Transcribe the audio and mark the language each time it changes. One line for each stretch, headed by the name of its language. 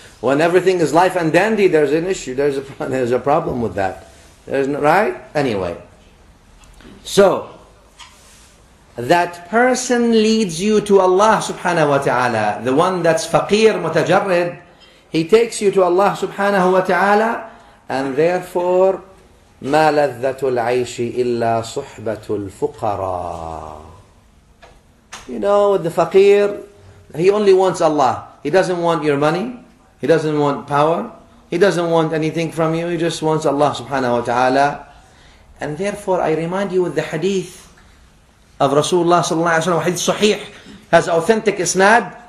English: When everything is life and dandy, there's an issue. There's a problem with that. There's no, right? Anyway. So, that person leads you to Allah subhanahu wa ta'ala. The one that's faqir, mutajarrid, he takes you to Allah subhanahu wa ta'ala. And therefore,
Arabic: ما لذة العيش إلا صحبة الفقراء.
English: You know, the faqir, he only wants Allah. He doesn't want your money. He doesn't want power. He doesn't want anything from you. He just wants Allah subhanahu wa ta'ala. And therefore, I remind you with the hadith of Rasulullah sallallahu alayhi wa sallam, hadith sahih, has authentic isnad.